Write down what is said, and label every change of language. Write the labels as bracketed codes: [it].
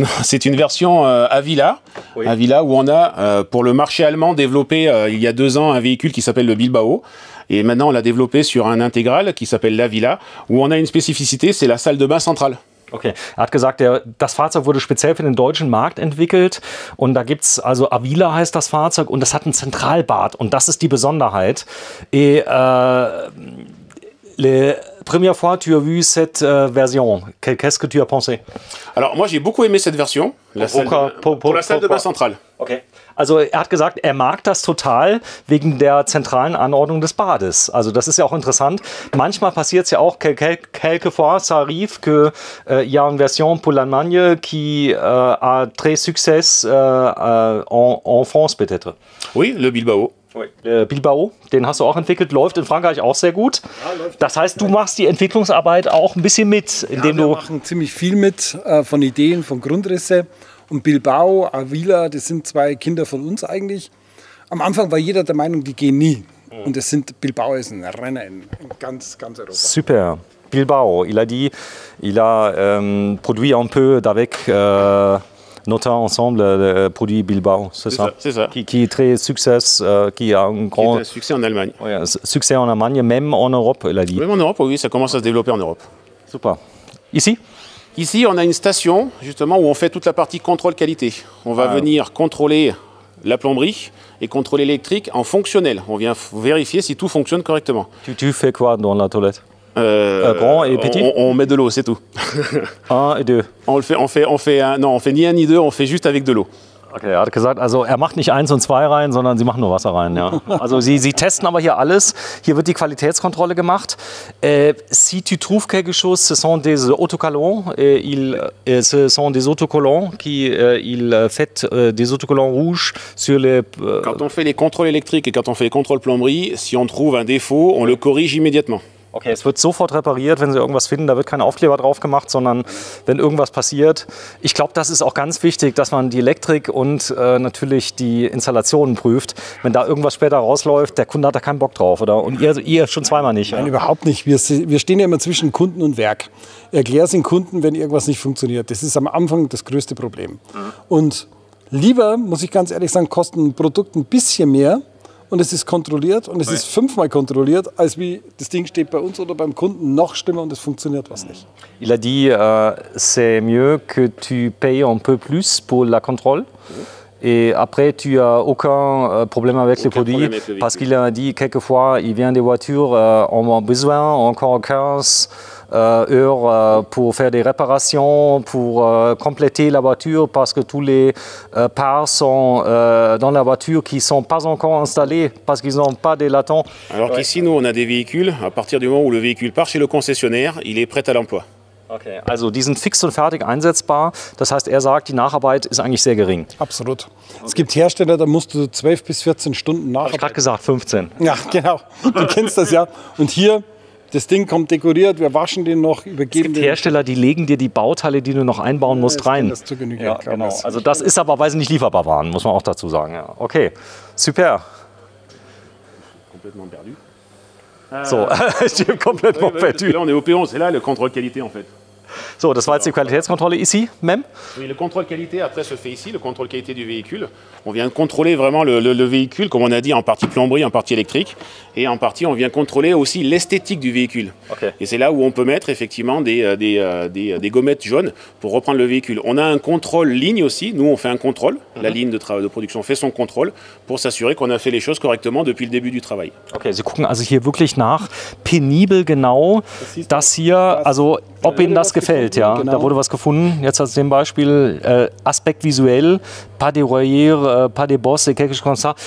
[fr] C'est une version Avila, oui. Avila où on a pour le marché allemand développé il y a 2 ans un véhicule qui s'appelle le Bilbao. Et maintenant on l'a développé sur un intégral qui s'appelle l'Avila où on a une spécificité, c'est la salle de bain centrale. [de] Okay, er hat gesagt, das Fahrzeug wurde speziell für den deutschen Markt entwickelt und da gibt es, also Avila heißt das Fahrzeug und das hat ein Zentralbad und das ist die Besonderheit. [fr] Et la première fois tu as vu cette version, qu'est-ce que tu as pensé? Alors moi j'ai beaucoup aimé cette version, pour la salle de bain centrale. Okay. [de] Also er hat gesagt, er mag das total wegen der zentralen Anordnung des Bades. Also das ist ja auch interessant. Manchmal passiert es ja auch, [fr] quelquefois, ça arrive que il y a une version pour l'Allemagne qui a très succès en France peut-être. Oui, le Bilbao. [de] Bilbao, den hast du auch entwickelt, läuft in Frankreich auch sehr gut. Das heißt, du machst die Entwicklungsarbeit auch ein bisschen mit. Indem ja, wir machen ziemlich viel mit, von Ideen, von Grundrisse. Und Bilbao, Avila, das sind 2 Kinder von uns eigentlich. Am Anfang war jeder der Meinung, die gehen nie. Und das sind Bilbao, ist ein Renner in ganz, ganz Europa. Super. [fr] Bilbao, il a dit, il a produit un peu d'avec notre ensemble produit Bilbao, c'est ça. Qui est très succès, qui a un grand... Qui est un succès en Allemagne. Oui, succès en Allemagne, même en Europe, il a dit. Même en Europe, oui, ça commence à se développer en Europe. Super. Ici? Ici, on a une station, justement, où on fait toute la partie contrôle qualité. On va venir contrôler la plomberie et contrôler l'électrique en fonctionnel. On vient vérifier si tout fonctionne correctement. Tu fais quoi dans la toilette? Grand et petit? On met de l'eau, c'est tout. 1 et 2. On fait ni 1 ni 2, on fait juste avec de l'eau. [de] Okay, er hat gesagt, also er macht nicht 1 und 2 rein, sondern sie machen nur Wasser rein. Ja. Also sie testen aber hier alles. Hier wird die Qualitätskontrolle gemacht. [fr] Si tu trouves quelque chose, ce sont des autocollants. Ce sont des autocollants qui il fait des autocollants rouges sur les. Quand on fait les contrôles électriques et quand on fait les contrôles plomberie, si on trouve un défaut, on le corrige immédiatement. [de] Okay, es wird sofort repariert, wenn Sie irgendwas finden. Da wird kein Aufkleber drauf gemacht, sondern wenn irgendwas passiert. Ich glaube, das ist auch ganz wichtig, dass man die Elektrik und natürlich die Installationen prüft. Wenn da irgendwas später rausläuft, der Kunde hat da keinen Bock drauf, oder? Und ihr schon zweimal nicht. Nein, ja? Überhaupt nicht. Wir stehen ja immer zwischen Kunden und Werk. Erklär es den Kunden, wenn irgendwas nicht funktioniert. Das ist am Anfang das größte Problem. Und lieber, muss ich ganz ehrlich sagen, kosten Produkte ein bisschen mehr, und es ist kontrolliert und es ist fünfmal kontrolliert, als wie das Ding steht bei uns oder beim Kunden noch schlimmer und es funktioniert was nicht. [fr] Il a dit, c'est mieux que tu payes un peu plus pour la contrôle. Et après, tu as aucun problème avec les produits. Parce qu'il a dit, quelquefois, il vient des voitures, on a besoin encore 15 heures pour faire des réparations, pour compléter la voiture, parce que tous les parts sont dans la voiture qui ne sont pas encore installées, parce qu'ils n'ont pas des latents. Alors qu'ici, nous, on a des véhicules. À partir du moment où le véhicule part chez le concessionnaire, il est prêt à l'emploi. [de] Okay, also die sind fix und fertig einsetzbar. Das heißt, er sagt, die Nacharbeit ist eigentlich sehr gering. Absolut. Okay. Es gibt Hersteller, da musst du 12 bis 14 Stunden nacharbeiten. Ich habe gerade gesagt, 15. Ja, genau. Du kennst das ja. Und hier, das Ding kommt dekoriert, wir waschen den noch, übergeben den. Es gibt Hersteller, die legen dir die Bauteile, die du noch einbauen musst, rein. Das zu genügend, ja, genau. Also das ist aber, weil sie nicht lieferbar waren, muss man auch dazu sagen. Ja. Okay, super. Komplett perdu. So, ich bin komplett perdu. [fr] Là, on est au Péron, c'est là le contrôle qualité en fait. [de] So, das war jetzt die Qualitätskontrolle [fr] ici même. Oui, le contrôle qualité après se fait ici, le contrôle qualité du véhicule. On vient contrôler vraiment le véhicule, comme on a dit, en partie plomberie, en partie électrique. Et en partie, on vient contrôler aussi l'esthétique du véhicule. Okay. Et c'est là où on peut mettre effectivement des gommettes jaunes pour reprendre le véhicule. On a un contrôle ligne aussi. Nous, on fait un contrôle. Mm-hmm. La ligne de production fait son contrôle pour s'assurer qu'on a fait les choses correctement depuis le début du travail. [de] Ok, Sie gucken also hier wirklich nach, pénible genau, das hier, also ob Ihnen das gefällt, ja. Genau. Da wurde was gefunden, jetzt als dem Beispiel, Aspekt visuell, [fr] pas de rayures, pas de bosses, quelque chose comme ça.